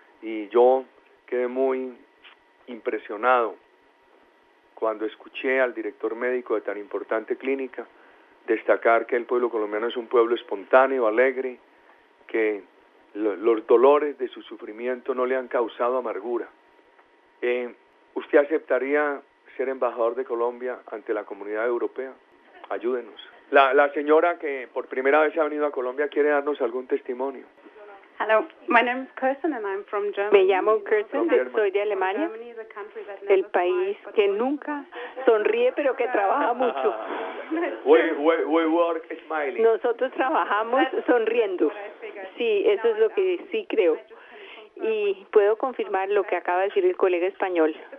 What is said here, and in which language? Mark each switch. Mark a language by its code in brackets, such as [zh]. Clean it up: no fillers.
[es] Y yo quedé muy impresionado cuando escuché al director médico de tan importante clínica destacar que el pueblo colombiano es un pueblo espontáneo, alegre, que los dolores de su sufrimiento no le han causado amargura. ¿Usted aceptaría ser embajador de Colombia ante la comunidad europea? Ayúdenos. La señora que por primera vez ha venido a Colombia quiere darnos algún testimonio. [en] Hello, my name is Kirsten and I'm from Germany. [es] Me llamo Kirsten, soy de Alemania, el país que nunca sonríe pero que trabaja mucho. [en] We work smiling. [es] Nosotros trabajamos sonriendo. Sí, eso es lo que sí creo. Y puedo confirmar lo que acaba de decir el colega español.